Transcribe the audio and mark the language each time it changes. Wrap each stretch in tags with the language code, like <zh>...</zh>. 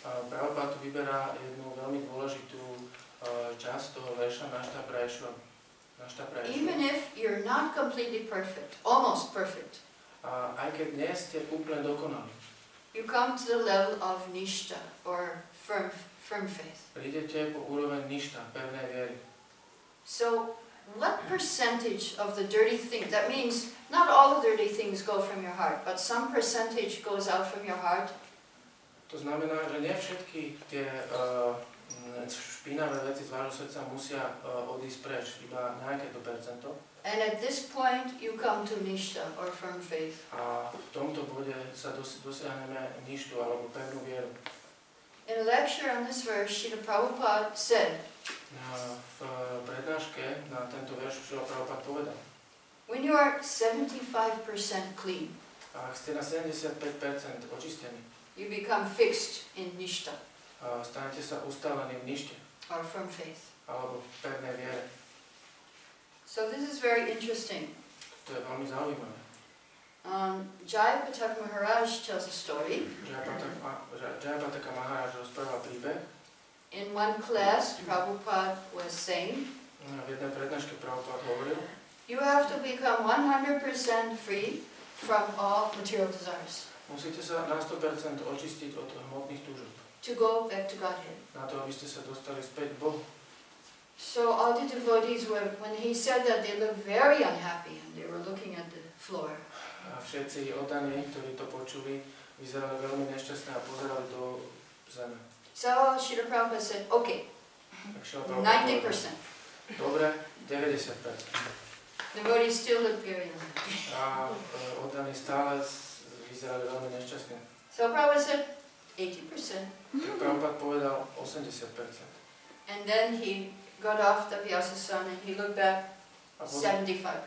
<sk>Prabhupada tu vyberá jednu veľmi dôležitú časť toho verša našta prayeshu.</sk> <en>Even if you're not completely perfect, almost perfect.</en> <sk>Aj keď nie ste úplne dokonalí.</sk> <en>You come to the level of nishta or firm faith.</en> <sk>Prídete po úroveň nishta, pevnej viery.</sk> <en>So what percentage of the dirty things, that means not all the dirty things go from your heart, but some percentage goes out from your heart?</en> <sk>To znamená, že nie všetky tie špinavé veci z vášho srdca musia odísť preč, iba nejaké to percento.</sk> <en>And at this point you come to nishta or firm faith.</en> <sk>A v tomto bode sa dosiahneme nishtu alebo pevnú vieru.</sk> <en>In a lecture on this verse, Srila Prabhupada said,</en> <sk>v prednáške na tento verš Srila Prabhupada povedal,</sk> <en>when you are 75% clean,</en> <sk>ak ste na 75% očistení,</sk> <en>you become fixed in nishta.</en> <sk>Stanete sa ustálení v nishte.</sk> <en>Or firm faith.</en> <sk>Alebo pevnej viere.</sk> <en>So this is very interesting.</en> <sk>To je veľmi zaujímavé.</sk> <en>Jayapataka Maharaj tells a story.</en> <sk>Jayapataka Maharaj rozpráva príbeh.</sk> <en>In one class Prabhupada was saying,</en> <sk>v jednej prednáške Prabhupada hovoril,</sk> <en>you have to become 100% free from all material desires.</en> <sk>Musíte sa na 100% očistiť od hmotných túžob.</sk> <en>To go back to Godhead.</en> <sk>Na to, aby ste sa dostali späť k Bohu.</sk> <en>So all the devotees were, when he said that, they looked very unhappy and they were looking at the floor.</en> <sk>A všetci oddaní, ktorí to počuli, vyzerali veľmi nešťastné a pozerali do zeme.</sk> <en>So Srila Prabhupada said, okay,</en> <sk>90%. Dobre, 90%.</sk> <en>Devotees still looked very unhappy.</en> <sk>A oddaní stále vyzerali veľmi nešťastné.</sk> <en>So Prabhupada said, 80%.</en> <sk>Prabhupada povedal 80%.</sk> <en>And then he got off the Vyasasana and he looked back, 75%.</en>